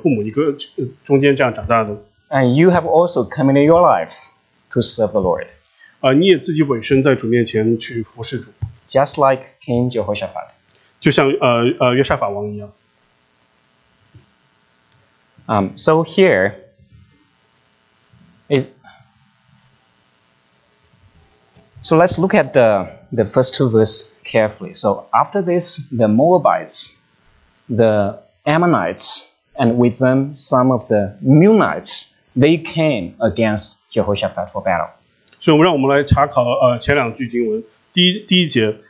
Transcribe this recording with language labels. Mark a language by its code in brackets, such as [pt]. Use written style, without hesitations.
[zh] 就像我们中间青年团体中间马上要毕业的这样的弟兄姊妹一样，你们也是在这样的你们的信主的父母一个中间这样长大的。 [en] And you have also committed your life to serve the Lord. [zh] 你也自己委身在主面前去服侍主。 [en] Just like King Jehoshaphat. [zh] 就像约沙法王一样。 [en] So here is so let's look at the first two verses carefully. So after this, the Moabites, the Ammonites, and with them some of the Munites, they came against Jehoshaphat for battle. [zh] 所以我们来查考前两句经文，第一节。